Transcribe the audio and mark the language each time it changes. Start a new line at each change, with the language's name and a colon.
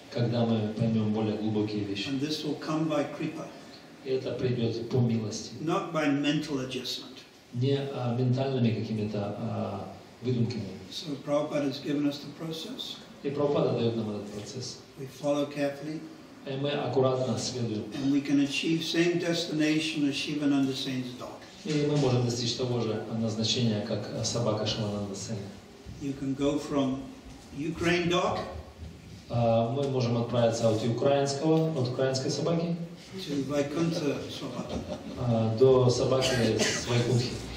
Russian: Когда мы поймем более глубокие вещи.
English: And this will come by kripa.
Russian: И это придет по милости.
English: Not by mental adjustment.
Russian: Не ментальными какими-то выдумками.
English: So Prabhupada has given us the process.
Russian: И Прабхупада дает нам этот процесс.
English: We follow carefully.
Russian: И мы аккуратно следуем.
English: And we can achieve same destination as Shivananda Sen's dog.
Russian: И мы можем достичь того же назначения, как собака Шивананда Сена.
English: You can go from Ukraine dog.
Russian: Мы можем отправиться от украинской собаки.
English: To Vaikuntha собака.
Russian: До собаки с Вайкунтхи.